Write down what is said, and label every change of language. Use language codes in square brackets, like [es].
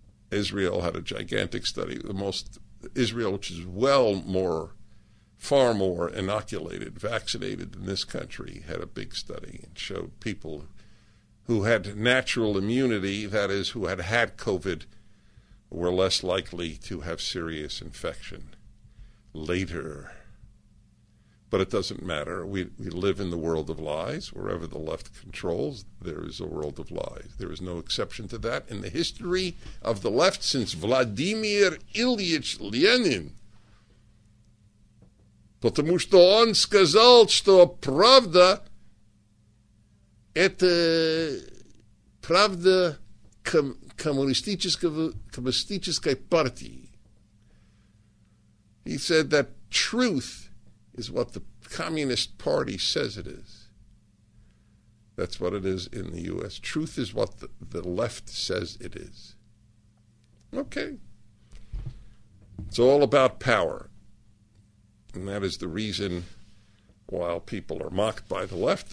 [en] Israel had a gigantic study. Israel, which is far more inoculated, vaccinated than this country, had a big study and showed people who had natural immunity, that is, who had had COVID, were less likely to have serious infection later. But it doesn't matter. We live in the world of lies. Wherever the left controls, there is a world of lies. There is no exception to that in the history of the left since Vladimir Ilyich Lenin. [ru] Потому что он сказал, что правда это правда коммунистической партии. [en] He said that truth is what the Communist Party says it is. That's what it is in the U.S. Truth is what the left says it is. Okay. It's all about power. And that is the reason why people are mocked by the left.